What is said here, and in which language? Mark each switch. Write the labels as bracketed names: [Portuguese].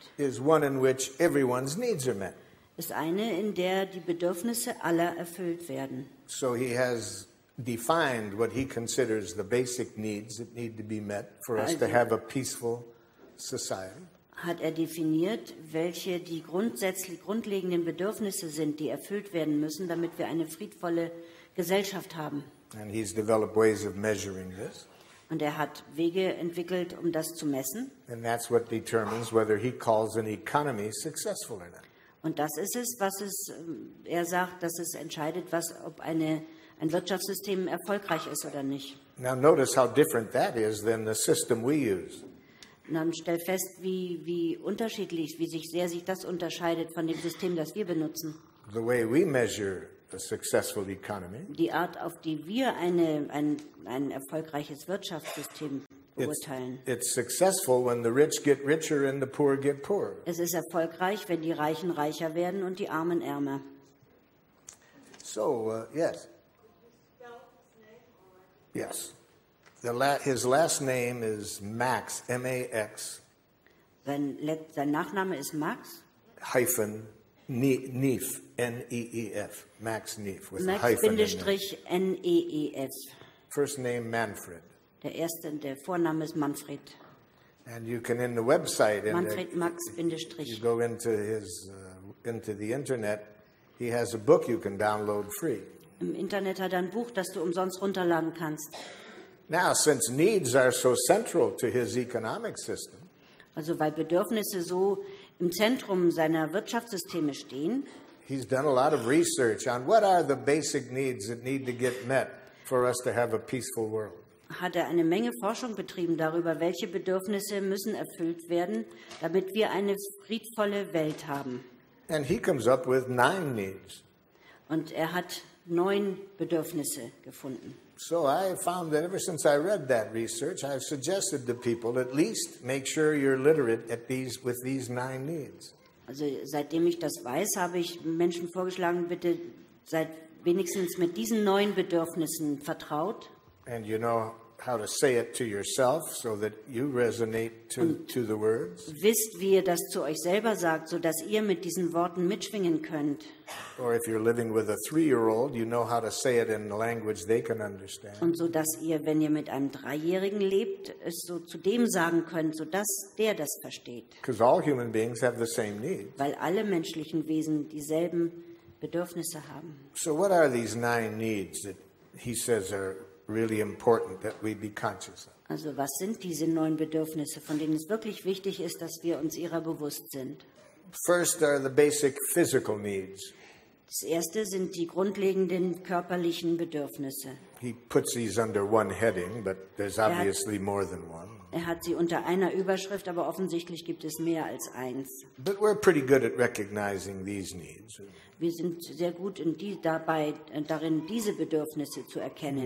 [English] Is one in which everyone's needs are met. [German] Ist eine, in der die Bedürfnisse aller erfüllt werden. [English] So he has defined what he considers the basic needs that need to be met for us to have a peaceful society. [German] Hat er definiert, welche die grundsätzlich grundlegenden Bedürfnisse sind, die erfüllt werden müssen, damit wir eine friedvolle Gesellschaft haben. [English] And he's developed ways of measuring this. [German] Und er hat Wege entwickelt, um das zu messen. [English] And that's what determines whether he calls an economy successful or not. [German] Und das ist es, was es, er sagt, dass es entscheidet, was, ob eine, ein Wirtschaftssystem erfolgreich ist oder nicht. [English] Now notice how different that is than the system we use. [German] Dann stell fest, wie unterschiedlich, wie sehr sich das unterscheidet von dem System, das wir benutzen. [English] The way we measure a successful economy, [German] die Art, auf die wir ein erfolgreiches Wirtschaftssystem beurteilen. [English] It's successful when the rich get richer and the poor get poorer. [German] Es ist erfolgreich, wenn die Reichen reicher werden und die Armen ärmer. [English] So, yes. Yes. His last name is Max, M-A-X. [German] Sein Nachname ist Max. [English] Hyphen Neef, N-E-E-F. Max Neef. [German] Max Bindestrich N-E-E-F. [English] First name Manfred. [German] Der Vorname ist Manfred. [English] And you can in the website. [German] Manfred Max Bindestrich. [English] You go into into the internet. He has a book you can download free. [German] Im Internet hat er ein Buch, das du umsonst runterladen kannst. [English] Now, since needs are so central to his economic system, [German] also weil Bedürfnisse so im Zentrum seiner Wirtschaftssysteme stehen, [English] he's done a lot of research on what are the basic needs that need to get met for us to have a peaceful world. [German] Hat er eine Menge Forschung betrieben darüber, welche Bedürfnisse müssen erfüllt werden, damit wir eine friedvolle Welt haben. [English] And he comes up with 9 needs. [German] Und er hat 9 Bedürfnisse gefunden. [English] So I found that ever since I read that research, I've suggested to people at least make sure you're literate at these with these 9 needs. [German] Also seitdem ich das weiß, habe ich Menschen vorgeschlagen, bitte seid wenigstens mit diesen 9 Bedürfnissen vertraut. [English] And you know how to say it to yourself, so that you resonate to the words. [German] Wisst, wie ihr das zu euch selber sagt, so dass ihr mit diesen Worten mitschwingen könnt. [English] Or if you're living with a 3-year-old, you know how to say it in a language they can understand. [German] Und so dass ihr, wenn ihr mit einem 3-Jährigen lebt, es so zu dem sagen könnt, so dass der das versteht. [English] Because all human beings have the same needs. [German] Weil alle menschlichen Wesen dieselben Bedürfnisse haben. [English] So what are these 9 needs that he says are really important that we be conscious of? [German] Also, was sind diese 9 Bedürfnisse, von denen es wirklich wichtig ist, dass wir uns ihrer bewusst sind? [English] First are the basic physical needs. [German] Das erste sind die grundlegenden körperlichen Bedürfnisse. [English] He puts these under one heading, but there's obviously more than one. [German] Er hat sie unter einer Überschrift, aber offensichtlich gibt es mehr als eins. [English] But we're pretty good at recognizing these needs. [German] Wir sind sehr gut in die, dabei, darin, diese Bedürfnisse zu erkennen.